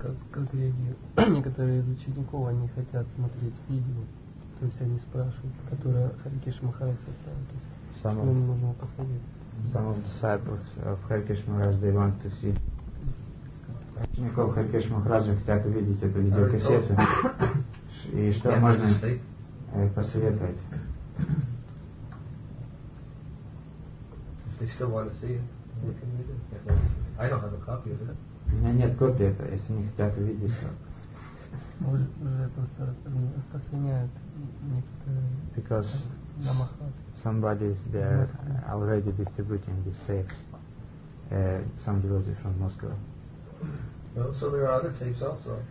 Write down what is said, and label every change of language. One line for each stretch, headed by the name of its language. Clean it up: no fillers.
Russian: Как люди, некоторые из учеников, они хотят смотреть видео, то есть они спрашивают, которое Харикеш Махарадж составил, то есть что мы можем посмотреть?
English: Some of the disciples of Харикеш Махарадж, they want to see.
Russian: Учеников Харикеш Махараджа хотят увидеть эту видеокассету. И что можно посоветовать?
English: If they still want to see it, they can read it. I don't have a copy of that.
Russian: У меня нет копии этого, если не хотят увидеть, то... Может, уже просто распространяют некоторые...
English: Because somebody is there already distributing these tapes, some devotees from Moscow. Well, so there are other tapes also.